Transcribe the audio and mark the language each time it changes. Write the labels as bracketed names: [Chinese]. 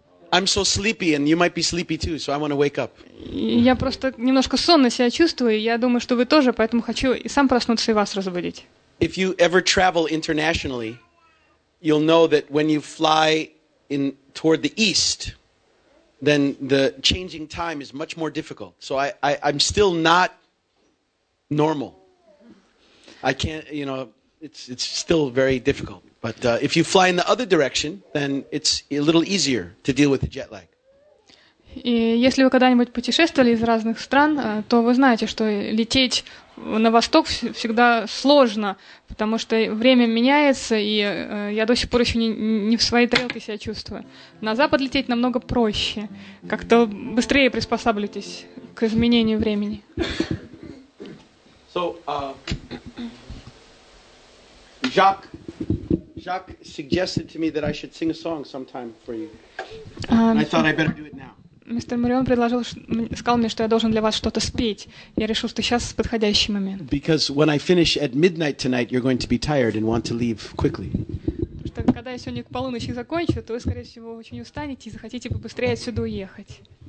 [English] I'm so sleepy, and you might be sleepy too, so I want to wake up. [Russian] Я просто немножко сонно себя чувствую. Я думаю, что вы тоже, поэтому хочу и сам проснуться, и вас разбудить. [English] If you ever travel internationally, you'll know that when you fly in toward the east, then the changing time is much more difficult. So I'm still not normal. I can't, you know, it's still very difficult. But if you fly in the other direction, then it's a little easier to deal with the jet lag. [Russian] И если вы когда-нибудь путешествовали из разных стран, то вы знаете, что лететь на восток всегда сложно, потому что время меняется, и я до сих пор еще не в своей тарелке себя чувствую. На запад лететь намного проще. Как-то быстрее приспосабливайтесь к изменению времени. [English] So, Jacques suggested to me that I should sing a song sometime for you. And I thought I better do it now. [Russian] Мистер Марион предложил, сказал мне, что я должен для вас что-то спеть. Я решил, что сейчас подходящий момент. [English] Because when I finish at midnight tonight, you're going to be tired and want to leave quickly. [Russian] Потому что когда я сегодня к полуночи закончу, то вы, скорее всего, очень устанете и захотите побыстрее отсюда уехать.